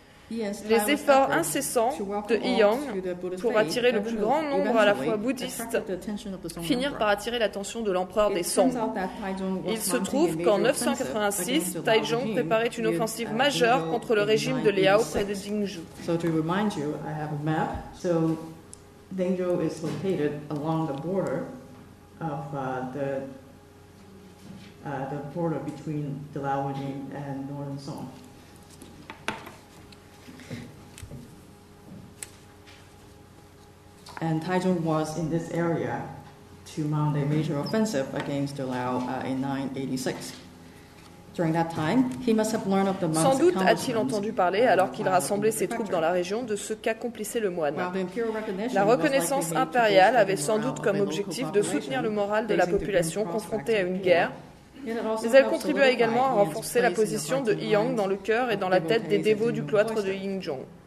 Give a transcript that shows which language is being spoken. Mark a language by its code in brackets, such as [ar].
[fr] Les efforts incessants de Yang pour attirer le plus grand nombre à la fois bouddhistes finirent par attirer l'attention de l'empereur des Song. Il se trouve qu'en 986, Taizong préparait une offensive majeure contre le régime de Liao près de Jingzhou. [en] So to remind you, I have a map. So Dengzhou is located along the border of the border between the Liao regime and Northern Song. And Taizong was in this area to mount a major offensive against the Liao in 986. During that time, he must have learned of the monk's accomplishments. [fr] Sans doute a-t-il entendu parler, alors qu'il rassemblait ses troupes dans la région, de ce qu'accomplissait le moine. La reconnaissance impériale avait sans doute comme objectif de soutenir le moral de la population confrontée à une guerre, mais elle contribua également à renforcer la position de Yang dans le cœur et dans la tête des dévots du cloître de Jingzhong.